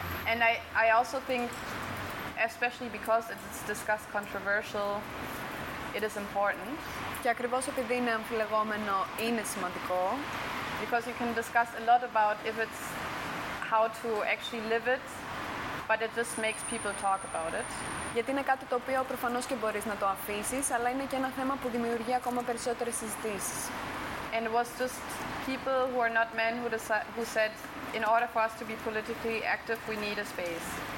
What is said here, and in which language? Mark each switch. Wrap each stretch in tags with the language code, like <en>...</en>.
<en>And I also think, especially because it's discussed controversial, it is important.</en> <el>Και ακριβώς επειδή είναι αμφιλεγόμενο, είναι σημαντικό.</el> <en>Because you can discuss a lot about if it's how to actually live it, but it just makes people talk about it.</en> <el>Γιατί είναι κάτι το οποίο προφανώς και μπορείς να το αφήσεις, αλλά είναι και ένα θέμα που δημιουργεί ακόμα περισσότερες συζητήσεις.</el> <en>And it was just people who are not men who said, in order for us to be politically active, we need a space.</en>